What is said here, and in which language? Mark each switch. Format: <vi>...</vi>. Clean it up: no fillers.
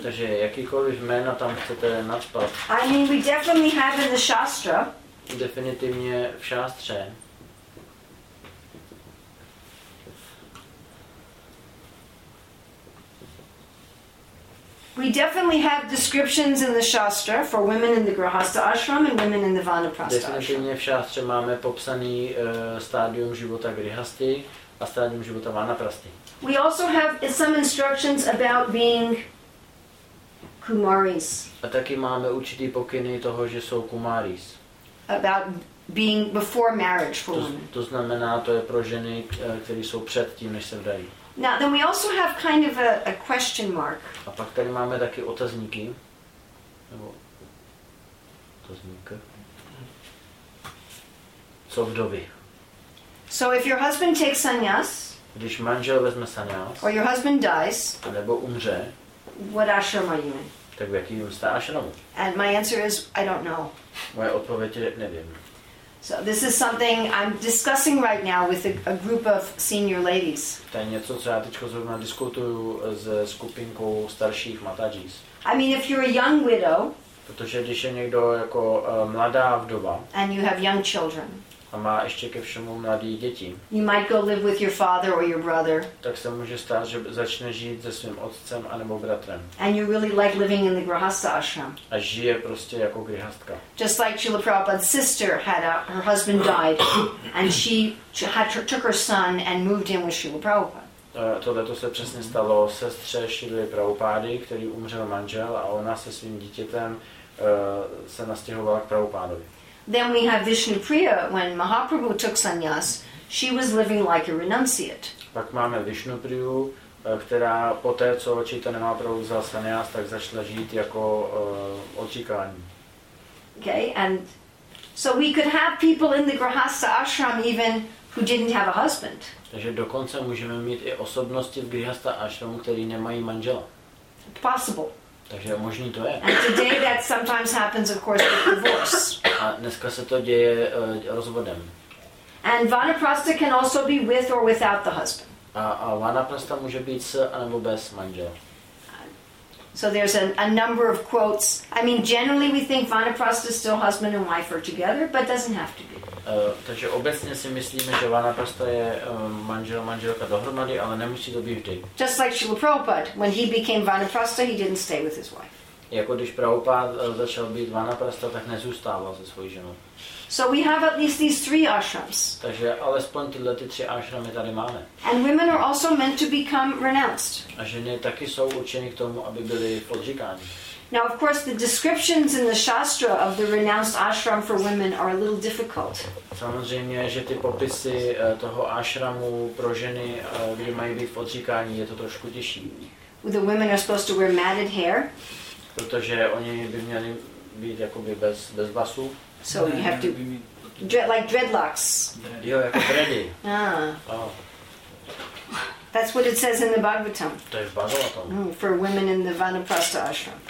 <cs>Takže jakýkoliv jména tam chcete nadspat.</cs> <en>I mean, we definitely have in the Shastra.</en> <cs>Definitivně v Šástře.</cs> <en>We definitely have descriptions in the Shastra for women in the Grihastha ashram and women in the Vanaprastha ashram.</en> <cs>Definitivně v Shastře máme popsaný stádium života grihasty a stádium života Vanaprasty.</cs> <en>We also have some instructions about being kumaris.</en> <cs>A taky máme určitý pokyny toho, že jsou kumaris.</cs> <en>About being before marriage for women.</en> <cs>To znamená, to je pro ženy, které jsou před tím, než se vdají.</cs> <en>Now then we also have kind of a question mark.</en> <cs>A pak tady máme taky otazníky. Nebo otazníky. co vdovy.</cs> <en>So if your husband takes sannyas,</en> <cs>když manžel vezme sannyas,</cs> <en>or your husband dies,</en> <cs>nebo umře,</cs> <en>what ashram are you in?</en> <cs>Tak v jakým jste ashramu?</cs> <en>And my answer is, I don't know.</en> <cs>Moje odpověď je, nevím.</cs> <en>So this is something I'm discussing right now with a group of senior ladies.</en> <cs>To je něco, co já teďko zrovna diskutuju se skupinkou starších matadžis.</cs> <en>I mean, if you're a young widow,</en> <cs>protože když je někdo jako mladá vdova,</cs> <en>and you have young children,</en> <cs>a má ještě ke všemu mladé děti,</cs> <en>you might go live with your father or your brother,</en> <cs>tak se může stát, že začne žít se svým otcem anebo bratrem.</cs> <en>And you really like living in the grihastha ashram.</en> <cs>A žije prostě jako grihastka.</cs> <en>Just like Srila Prabhupada's sister had her husband died and she had took her son and moved in with Srila Prabhupada.</en> <cs>Tohleto se přesně stalo sestře Srily Prabhupády, který umřel manžel a ona se svým dítětem se nastěhovala k Prabhupádovi.</cs> <en>Then we have Vishnu Priya. When Mahaprabhu took sannyas, she was living like a renunciate.</en> <cs>Pak máme Vishnu Priyu, která poté, co Chaitanya Mahaprabhu vzal sannyas, tak začala žít jako odříkání.</cs> <en>Okay, and so we could have people in the grihastha ashram even who didn't have a husband.</en> <cs>Takže dokonce můžeme mít i osobnosti v grihastha ashramu, který nemají manžela.</cs> <en>It's possible.</en> <cs>Takže možný to je.</cs> <en>And today that sometimes happens, of course, with divorce.</en> <cs>A dneska se to děje rozvodem.</cs> <en>And vanaprastha can also be with or without the husband.</en> <cs>A vanaprastha může být s anebo bez manžela.</cs> <en>So there's a number of quotes. I mean, generally we think vanaprastha is still husband and wife are together, but doesn't have to be.</en> <cs>Takže obecně si myslíme, že vanaprastha je manžel manželka dohromady, ale nemusí to být vždy.</cs> <en>Just like Srila Prabhupada, when he became vanaprastha, he didn't stay with his wife.</en> <cs>Jako když Prabhupada začal být vanaprastha, tak nezůstával se svou ženou.</cs> <en>So we have at least these three ashrams.</en> <cs>Takže alespoň tyhle ty tři ashramy tady máme.</cs> <en>And women are also meant to become renounced.</en> <cs>A ženy taky jsou určeny k tomu, aby byly odříkány.</cs> <en>Now of course the descriptions in the shastra of the renounced ashram for women are a little difficult.</en> <cs>Samozřejmě, že ty popisy toho ashramu pro ženy, kde mají být odříkání, je to trošku těžší.</cs> <en>The women are supposed to wear matted hair.</en> <cs>Protože oni by měli být jakoby bez vlasů.</cs> <en>So you have to like dreadlocks.</en> <cs>Jo, jako dready.</cs> <en>That's what it says in the Bhagavatam.</en> <cs>To je v Bhagavatam.</cs> <en>For women in the vanaprastha ashram.</en>